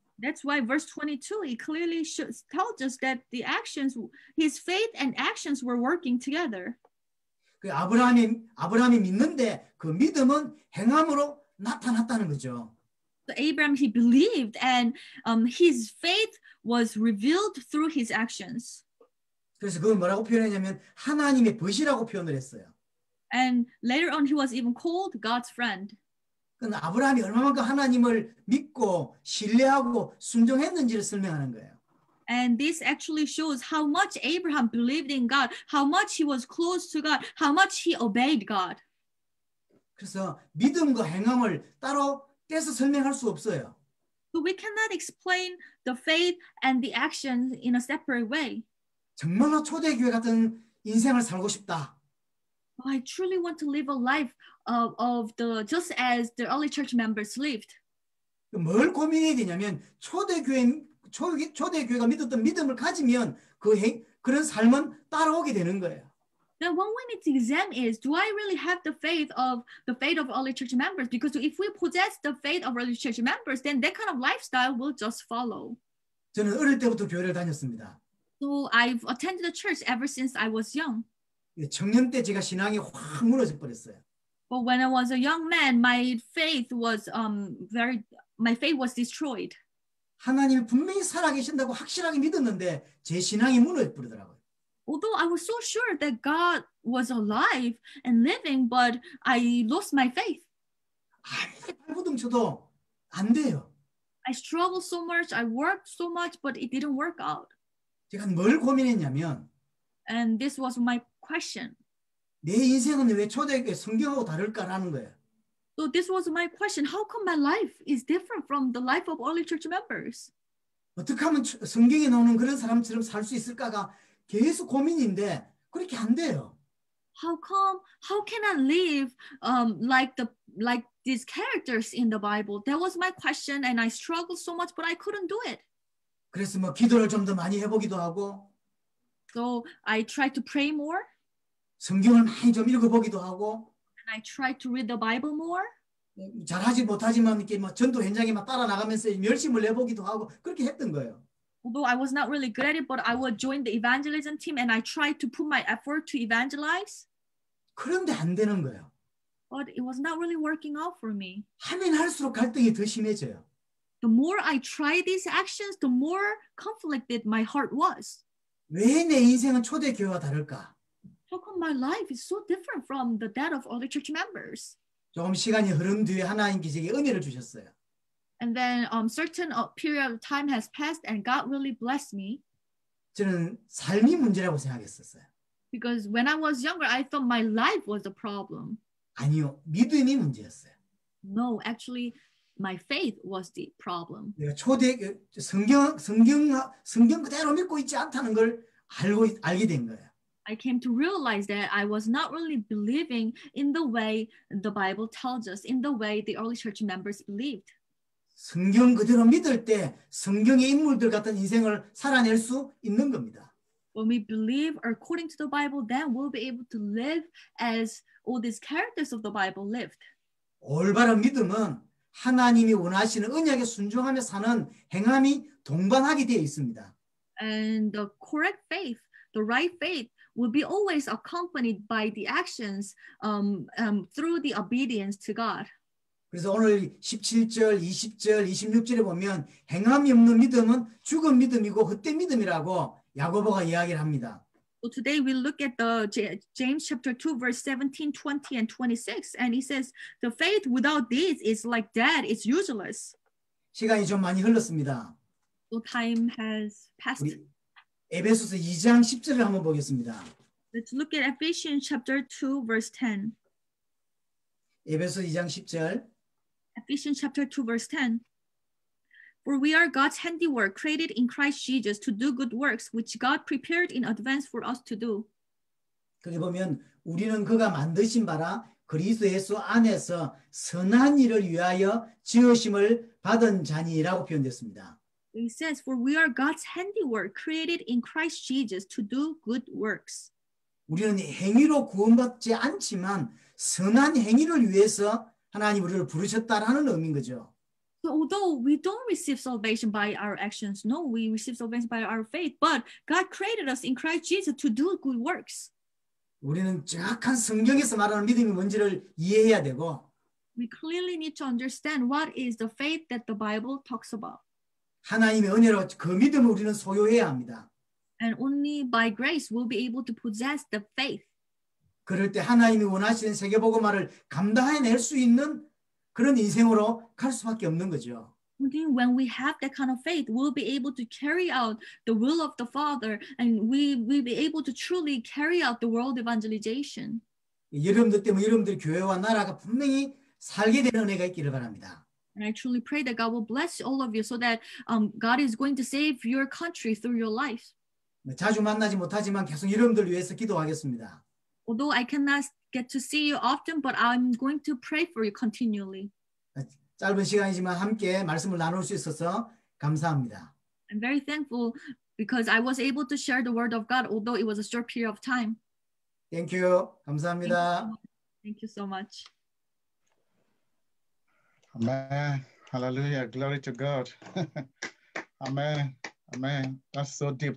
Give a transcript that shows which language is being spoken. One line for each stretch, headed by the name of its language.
English: That's why verse 22 it clearly tells us that the actions his faith and actions were working together.
Korean: 그 아브라함이 믿는데 그 믿음은 행함으로 나타났다는 거죠.
English: So Abraham he believed and his faith was revealed through his actions.
Korean: 그래서 그걸 뭐라고 표현했냐면 하나님의 벗이라고 표현을 했어요.
English: And later on, he was even called God's friend.
Korean: 그 아브라함이 얼마만큼 하나님을 믿고 신뢰하고 순종했는지를 설명하는 거예요.
English: And this actually shows how much Abraham believed in God, how much he was close to God, how much he obeyed God.
Korean: 그래서 믿음과 행함을 따로 떼서 설명할 수 없어요.
English: So we cannot explain the faith and the action in a separate way.
Korean: 정말로 초대교회 같은 인생을 살고 싶다.
English: I truly want to live a life of the just as the early church members lived.
Korean: 뭘 고민해야 되냐면 초대교회가 믿었던 믿음을 가지면 그런 삶은 따라오게 되는 거예요.
English: Then what we need to examine is, do I really have the faith of early church members? Because if we possess the faith of early church members, then that kind of lifestyle will just follow.
Korean: 저는 어릴 때부터 교회를 다녔습니다.
English: So I've attended the church ever since I was young.
Korean: 청년 때 제가 신앙이 확 무너져 버렸어요.
English: But when I was a young man, my faith was my faith was destroyed.
Korean: 하나님이 분명히 살아계신다고 확실하게 믿었는데 제 신앙이 무너져 버리더라고요.
English: Although I was so sure that God was alive and living, but I lost my faith.
Korean: 아무리 발버둥 쳐도 안 돼요.
English: I struggled so much, I worked so much, but it didn't work out.
Korean: 제가 뭘 고민했냐면.
English: And this was my question.
Korean: 내 인생은 왜 초대교회 성경하고 다를까라는 거예요.
English: So So this was my question. How come my life is different from the life of early church members?
Korean: 어떻게 하면 성경에 나오는 그런 사람처럼 살 수 있을까가 계속 고민인데 그렇게 안 돼요.
English: How come? How can I live like these characters in the Bible? That was my question, and I struggled so much, but I couldn't do it.
Korean: 그래서 뭐 기도를 좀 더 많이 해보기도 하고.
English: So I tried to pray more.
Korean: 성경을 많이 좀 읽어보기도 하고.
English: And I tried to read the Bible more.
Korean: 잘하지 못하지만 이렇게 막 전도 현장에 막 따라 나가면서 열심을 내보기도 하고 그렇게 했던 거예요.
English: Although I was not really good at it, but I would join the evangelism team and I tried to put my effort to evangelize.
Korean: 그런데 안 되는 거예요.
English: But it was not really working out for me.
Korean: 하면 할수록 갈등이 더 심해져요.
English: The more I tried these actions, the more conflicted my heart was.
Korean: 왜 내 인생은 초대교회와 다를까?
English: How come my life is so different from the that of other church members?
Korean: 조금 시간이 흐른 뒤에 하나님께서 제게 은혜를 주셨어요.
English: And then certain period of time has passed and God really blessed me.
Korean: 저는 삶이 문제라고 생각했었어요.
English: Because when I was younger, I thought my life was a problem.
Korean: 아니요, 믿음이 문제였어요.
English: No, actually, my faith was the problem.
Korean: 내가 초대 성경 그대로 믿고 있지 않다는 걸 알게 된 거예요.
English: I came to realize that I was not really believing in the way the Bible tells us, in the way the early church members believed.
Korean: 성경 그대로 믿을 때 성경의 인물들 같은 인생을 살아낼 수 있는 겁니다.
English: When we believe according to the Bible, then we'll be able to live as all these characters of the Bible lived.
Korean: 올바른 믿음은 하나님이 원하시는 언약에 순종하며 사는 행함이 동반하게 되어 있습니다.
English: And the correct faith, the right faith, will be always accompanied by the actions through the obedience to God.
Korean: 그래서 오늘 17절, 20절, 26절에 보면 행함이 없는 믿음은 죽은 믿음이고 헛된 믿음이라고 야고보가 이야기를 합니다.
English: So today we look at the James chapter 2 verse 17, 20 and 26 and he says the faith without deeds is like dead, it's useless.
Korean: 시간이 좀 많이 흘렀습니다.
English: So time has passed.
Korean: 우리 에베소서 2장 10절을 한번 보겠습니다.
English: Let's look at Ephesians chapter 2 verse 10.
Korean: 에베소 2장 10절.
English: Ephesians chapter 2 verse 10. For we are God's handiwork, created in Christ Jesus to do good works, which God prepared in advance for us to do.
Korean: 거기 보면 우리는 그가 만드신 바라 그리스도 예수 안에서 선한 일을 위하여 지으심을 받은 자니라고 표현됐습니다.
English: He says, "For we are God's handiwork, created in Christ Jesus to do good works."
Korean: 우리는 행위로 구원받지 않지만 선한 행위를 위해서 하나님 우리를 부르셨다라는 의미인 거죠.
English: So although we don't receive salvation by our actions, no, we receive salvation by our faith, but God created us in Christ Jesus to do good works.
Korean: 우리는 정확한 성경에서 말하는 믿음이 뭔지를 이해해야 되고
English: we clearly need to understand what is the faith that the Bible talks about.
Korean: 하나님의 은혜로 그 믿음을 우리는 소유해야 합니다.
English: And only by grace we'll be able to possess the faith.
Korean: 그럴 때 하나님이 원하시는 세계복음화를 감당해낼 수 있는 그런 인생으로 갈 수밖에 없는 거죠.
English: When we have that kind of faith, we'll be able to carry out the will of the Father and we'll be able to truly carry out the world evangelization.
Korean: 여러분들 때문에 여러분들 교회와 나라가 분명히 살게 되는 은혜가 있기를 바랍니다.
English: And I truly pray that God will bless all of you so that God is going to save your country through your life.
Korean: 자주 만나지 못하지만 계속 여러분들 위해서 기도하겠습니다.
English: Although I cannot get to see you often, but I'm going to pray for you continually.
Korean: 짧은 시간이지만 함께 말씀을 나눌 수 있어서 감사합니다.
English: I'm very thankful because I was able to share the word of God, although it was a short period of time. Thank you.
Korean: 감사합니다.
English: Thank you so much. Amen. Hallelujah. Glory to God. Amen. Amen. That's so deep.